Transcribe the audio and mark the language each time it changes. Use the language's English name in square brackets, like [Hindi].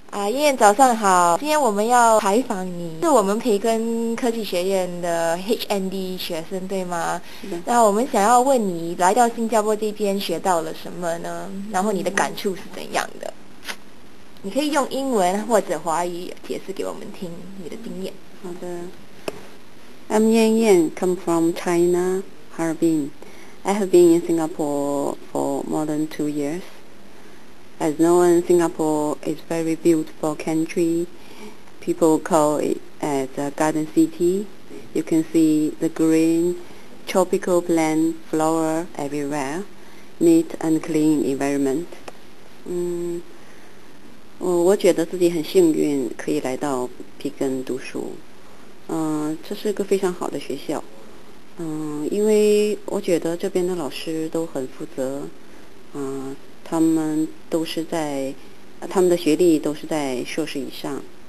[Chinese] 燕早上好，今天我们要采访你，是我们培根科技学院的 HND 学生对吗？是的。那我们想要问你，来到新加坡这边学到了什么呢？然后你的感触是怎样的？你可以用英文或者华语解释给我们听你的经验。好的。 [English] I'm Yan Yan, come from China, Harbin. I have been in Singapore for more than 2 years. As known, Singapore is a very beautiful country. People call it as a garden city. You can see the green tropical plant flower everywhere. Neat and clean environment. [Chinese] 我觉得自己很幸运可以来到培根读书。这是一个非常好的学校。因为我觉得这边的老师都很负责，他们都是在他们的学历都是在硕士以上。